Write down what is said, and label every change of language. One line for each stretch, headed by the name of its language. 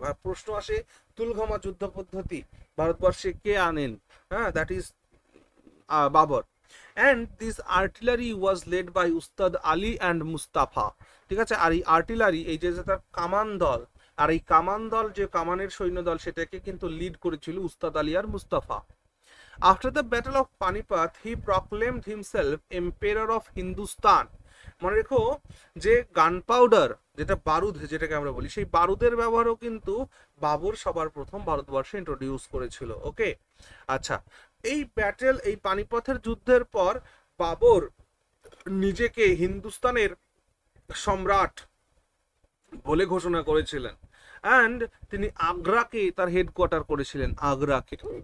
Bangla: বা প্রশ্ন আসে, তুলঘামা যুদ্ধ পদ্ধতি ভারতবর্ষে কে আনেন, হ্যাঁ, that is Babur.
English: And this artillery was led by Ustad Ali and Mustafa, ঠিক আছে।
Bangla: আর এই আর্টিলারি, এই যে তার কামান দল, আর এই কামান দল, যে কামানের সৈন্য দল, সেটাকে কিন্তু লিড করেছিল উস্তাদ আলী আর Mustafa.
English: After the Battle of Panipat, he proclaimed himself Emperor of Hindustan.
Bangla: মনে রেখো যে গানপাউডার, যেটা বারুদ যেটাকে আমরা বলি, সেই বারুদের ব্যবহারও কিন্তু বাবর সবার প্রথম ভারতবর্ষে ইন্ট্রোডিউস করেছিল। ওকে, আচ্ছা, এই ব্যাটেল, এই পানিপথের যুদ্ধের পর বাবর নিজেকে হিন্দুস্তানের সম্রাট বলে ঘোষণা করেছিলেন, অ্যান্ড তিনি আগ্রাকে তার হেডকোয়ার্টার করেছিলেন, আগ্রাকে।